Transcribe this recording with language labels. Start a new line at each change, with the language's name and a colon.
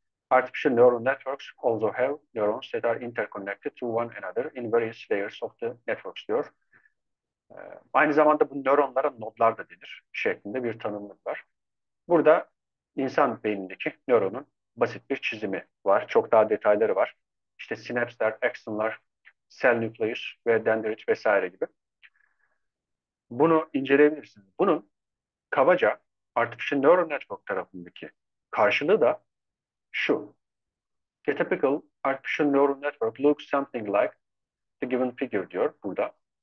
English: Artificial neural networks also have neurons that are interconnected to one another in various layers of the networks
Turkish: diyor. Aynı zamanda bu nöronlara nodlar da denir şeklinde bir tanımlık var. Burada insan beynindeki nöronun basit bir çizimi var. Çok daha detayları var. İşte sinapslar, aksonlar, cell nucleus ve dendrit vesaire gibi. Bunu inceleyebilirsiniz. Bunun kabaca artificial neural network tarafındaki karşılığı da şu.
English: The typical artificial neural network looks something like the given figure
Turkish: diyor burada.